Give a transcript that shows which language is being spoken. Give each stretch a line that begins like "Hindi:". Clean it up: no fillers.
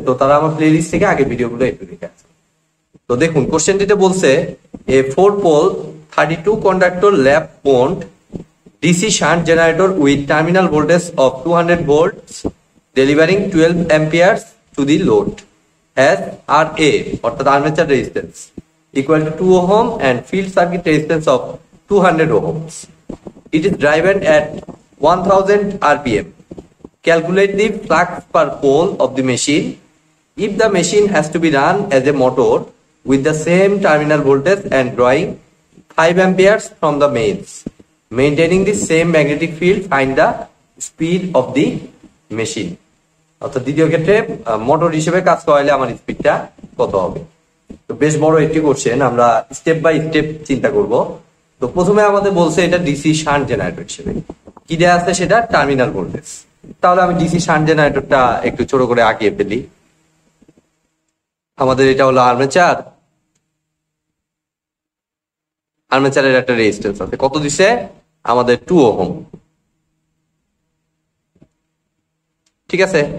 Bangla: তো তারা আমার প্লে লিস্ট থেকে আগে ভিডিওগুলো একটু দেখে আসুন। তো দেখুন কোশ্চেনটিতে বলছে
English: A four pole 32 conductor lap wound DC shunt generator with terminal voltage of 200 volt delivering 12 amperes to the load has R a অর্থাৎ armature resistance equal to 2 ohm and field circuit resistance of 200 ohms. It is driven at 1000 RPM. Calculate the flux per pole of the machine. If the machine has to be run as a motor with the same terminal voltage and drawing 5 amperes from the mains, maintaining the same magnetic field, find the speed of the machine.
Bangla: অর্থাৎ দ্বিতীয় ক্ষেত্রে motor হিসেবে কাজ করাইলে আমার স্পিডটা কত হবে। তো বেশ বড় একটি কোশ্চেন, আমরা স্টেপ বাই স্টেপ চিন্তা করব। তো প্রথমে আমাদের বলছে এটা ডিসি শান্ট জেনারেটর হিসেবে কি দেয়া আছে সেটা টার্মিনাল ভোল্টেজ। তাহলে আমি ডিসি শান্ট জেনারেটরটা একটু ছোট করে আঁকিয়ে ফেলি। আমাদের এটা হলো আর্মেচার, আর্মেচারের একটা রেজিস্ট্যান্স আছে, কত দিছে আমাদের 2 ওহম, ঠিক আছে?